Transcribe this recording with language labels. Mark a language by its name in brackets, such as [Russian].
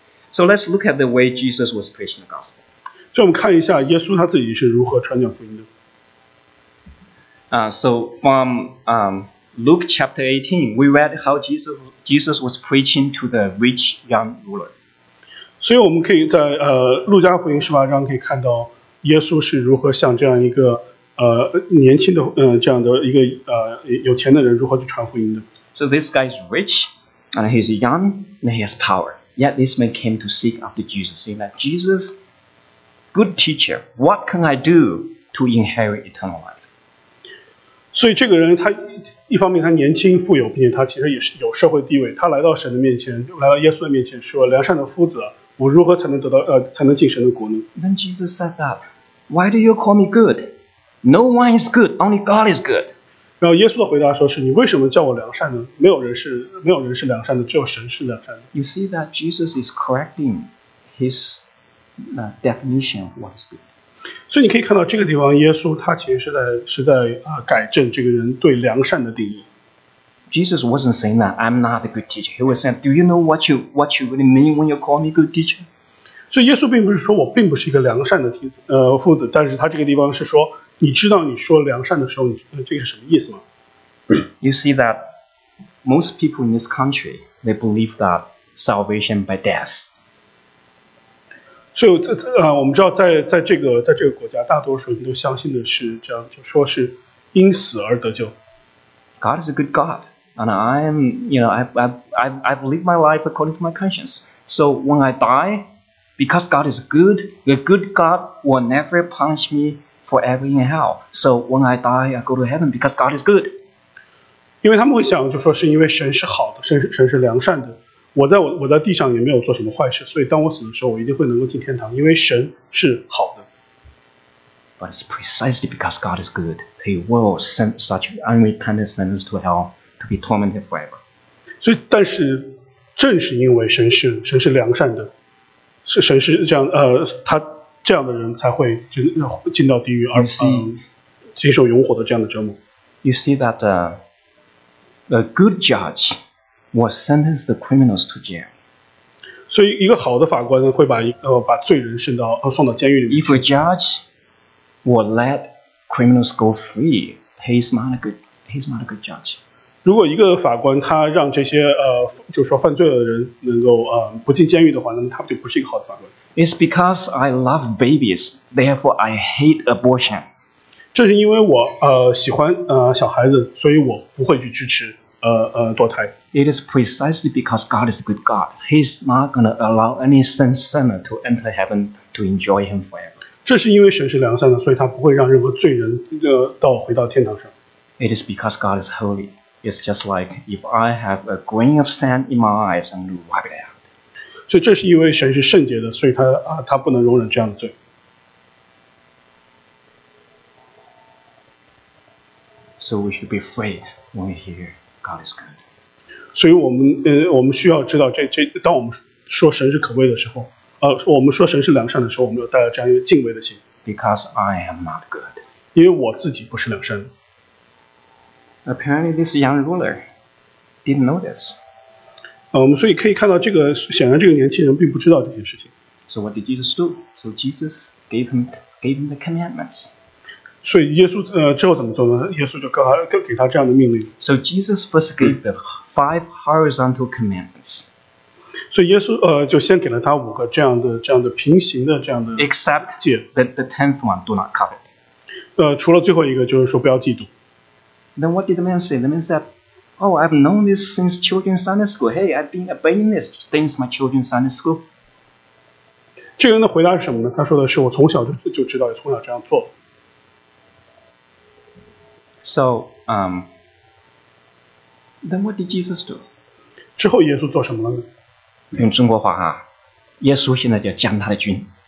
[English] So let's look at the way Jesus was preaching the gospel. [Chinese] 所以我们看一下耶稣他自己是如何传讲福音的。 [English] So from Luke chapter 18 we read how Jesus was preaching to the rich young ruler. [Chinese] 所以我们可以在路加福音十八章可以看到耶稣是如何向这样一个年轻的这样的一个有钱的人如何去传福音的。 [English] So this guy is rich, and he's young, and he has power. Yet this man came to seek after Jesus, saying that Jesus, good teacher, what can I do to inherit eternal life? [Chinese] 所以这个人他一方面他年轻富有，并且他其实也是有社会地位。他来到神的面前，来到耶稣的面前，说：“良善的夫子。” 我如何才能得到才能进神的国呢？ [English] Then Jesus said that, Why do you call me good? No one is good, only God is good. [Chinese] 然后耶稣的回答说是你为什么叫我良善呢？没有人是良善的，只有神是良善的。 [English] You see that Jesus is correcting his definition of what is good. [Chinese] 所以你可以看到这个地方，耶稣他其实是在改正这个人对良善的定义。 [English] Jesus wasn't saying that I'm not a good teacher. He was saying, Do you know what you really mean when you call me good teacher? [Chinese] 所以耶稣并不是说我并不是一个良善的父子，但是他这个地方是说，你知道你说良善的时候，这个是什么意思吗？ [English] You see that most people in this country they believe that salvation by death. [Chinese] 所以我们知道在这个国家，大多数人都相信的是这样，就说是因死而得救。 [English] God is a good God, and I've lived my life according to my conscience. So when I die, because God is good, the good God will never punish me forever in hell. So when I die, I go to heaven because God is good. [Chinese] 因为他们会想，就说是因为神是好的，神是良善的。我在地上也没有做什么坏事，所以当我死的时候，我一定会能够进天堂，因为神是好的。 [English] But it's precisely because God is good, He will send such unrepentant sinners to hell to be tormented forever. [Chinese] 所以，但是正是因为神是良善的，是神是这样，他这样的人才会进到地狱而接受永火的这样的折磨。 [English] You see that a good judge will sentence the criminals to jail. [Chinese] 所以一个好的法官会把罪人送到监狱里面。 [English] If a judge will let criminals go free, he's not a good judge. [Chinese] 如果一个法官他让这些就是说犯罪的人能够不进监狱的话，那么他就不是一个好的法官。 [English] It's because I love babies, therefore I hate abortion. [Chinese] 这是因为我喜欢小孩子，所以我不会去支持堕胎。 [English] It is precisely because God is a good God. He's not going to allow any sinner to enter heaven to enjoy Him forever. [Chinese] 这是因为神是良善的，所以他不会让任何罪人回到天堂上。 [English] It is because God is holy. It's just like if I have a grain of sand in my eyes and wipe it out. [Chinese] 所以这是因为神是圣洁的，所以他不能容忍这样的罪。 [English] So we should be afraid when we hear God is good. [Chinese] 所以我们需要知道这当我们说神是可畏的时候，我们说神是良善的时候，我们要带着这样一个敬畏的心。 [English] Because I am not good. [Chinese] 因为我自己不是良善的。 [English] Apparently, this young ruler didn't know this. [Chinese] 所以可以看到这个显然这个年轻人并不知道这件事情。 [English] So what did Jesus do? So Jesus gave him the commandments. [Chinese] 所以耶稣之后怎么做呢？耶稣就给他这样的命令。 [English] So Jesus first gave the five horizontal commandments. [Chinese] 所以耶稣就先给了他五个这样的平行的这样的戒。 [English] Except the tenth one, do not covet. [Chinese] 除了最后一个就是说不要嫉妒。 [English] Then what did the man say? The man said, "Oh, I've known this since children's Sunday school. Hey, I've been obeying this since my children's Sunday school." [Chinese] 这个人的回答是什么呢？他说的是我从小就知道，从小这样做。 So, then what did Jesus do? 之后耶稣做什么了呢？用中国话哈，耶稣现在就将他的军。